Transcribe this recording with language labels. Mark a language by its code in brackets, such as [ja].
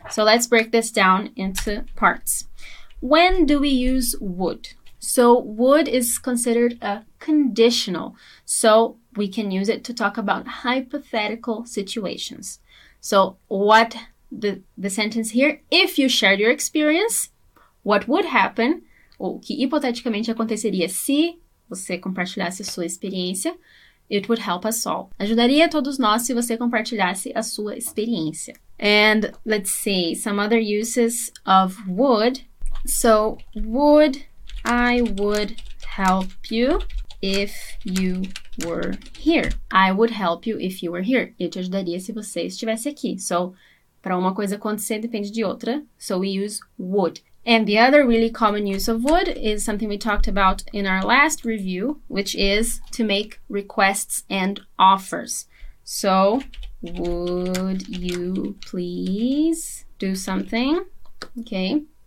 [en] So let's break this down into parts. When do we use would? So would is considered a conditional. So we can use it to talk about hypothetical situations. So what the sentence here, if you shared your experience, what would happen? [pt] O que hipoteticamente aconteceria se você compartilhasse sua experiência? [en] It would help us all. [pt] Ajudaria todos nós se você compartilhasse a sua experiência. [en] And let's see, some other uses of would. So, would, I would help you if you were here. I would help you if you were here. [pt] Eu te ajudaria se você estivesse aqui. So, para uma coisa acontecer, depende de outra. [en] So, we use would. And the other really common use of would is something we talked about in our last review, which is to make requests and offers. So, would you please do something? Okay.